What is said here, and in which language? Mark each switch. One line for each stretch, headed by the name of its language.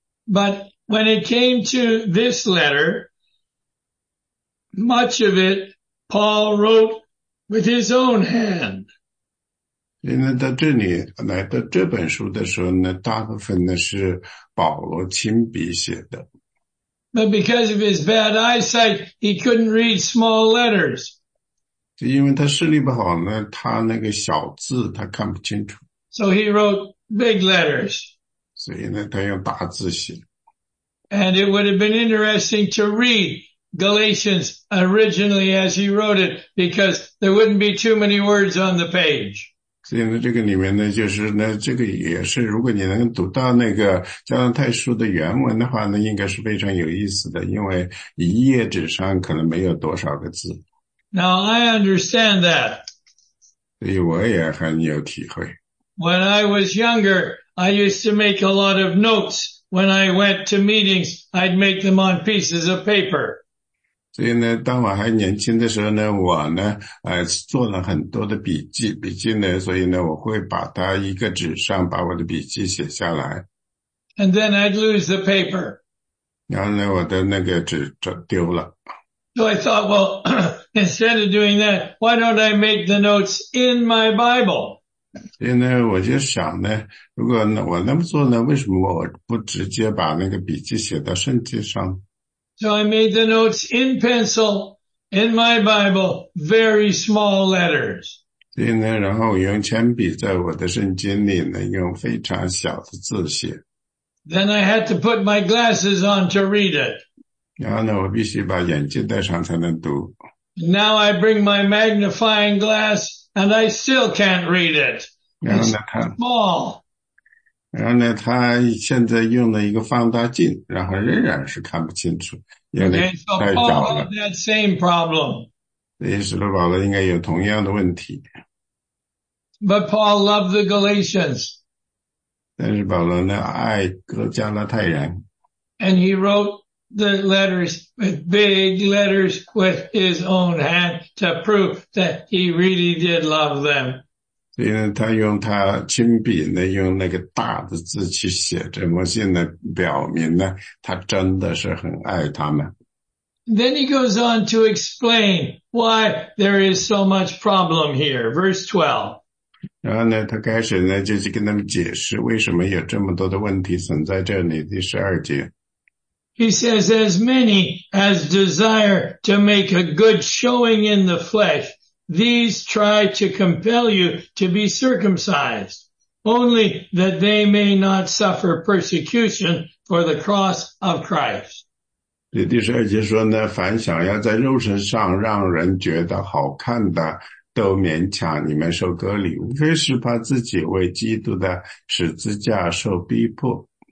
English: But when it came to this letter, much of it Paul wrote with his own hand.
Chinese: 因为到这里来到这本书的时候呢，大部分呢是保罗亲笔写的。
English: But because of his bad eyesight, he couldn't read small letters.
Chinese: 因为他视力不好呢，他那个小字他看不清楚。
English: So he wrote big letters.
Chinese: 所以呢，他用大字写。
English: And it would have been interesting to read Galatians originally as he wrote it, because there wouldn't be too many words on the page.
Chinese: 所以呢，这个里面呢，就是呢，这个也是，如果你能读到那个加拉太书的原文的话呢，应该是非常有意思的，因为一页纸上可能没有多少个字。
English: Now I understand that.
Chinese: 所以我也很有体会。
English: When I was younger, I used to make a lot of notes. When I went to meetings, I'd make them on pieces of paper.
Chinese: 所以呢，当我还年轻的时候呢，我呢，做了很多的笔记。笔记呢，所以呢，我会把它一个纸上把我的笔记写下来。
English: And then I'd lose the paper.
Chinese: 然后呢，我的那个纸就丢了。
English: So I thought, well, instead of doing that, why don't I make the notes in my Bible?
Chinese: 所以呢，我就想呢，如果我那么做呢，为什么我不直接把那个笔记写到圣经上
English: ？So I made the notes in pencil in my Bible, very small letters.
Chinese: 所以呢，然后用铅笔在我的圣经里呢，用非常小的字写。
English: Then I had to put my glasses on to read it.
Chinese: 然后呢，我必须把眼镜戴上才能读。
English: Now I bring my magnifying glass. And I still can't read it. It's small.
Chinese: 然后呢，他现在用了一个放大镜，然后仍然是看不清楚，有点太小了。
English: Okay, so Paul had that same problem.
Chinese: 所以使徒保罗应该有同样的问题。
English: But Paul loved the Galatians.
Chinese: 但是保罗呢，爱加拉太人。
English: And he wrote the letters, with big letters, with his own hand to prove that he really did love them.
Chinese: 所以呢，他用他亲笔呢，用那个大的字去写这封信呢，表明呢，他真的是很爱他们。
English: Then he goes on to explain why there is so much problem here. Verse 12.
Chinese: 然后呢，他开始呢，就去跟他们解释为什么有这么多的问题存在这里。第十二节。
English: He says, as many as desire to make a good showing in the flesh, these try to compel you to be circumcised, only that they may not suffer persecution for the cross of Christ.
Chinese: 第十二节说呢，凡想要在肉身上让人觉得好看的，都勉强你们受割礼，无非是怕自己为基督的十字架受逼迫。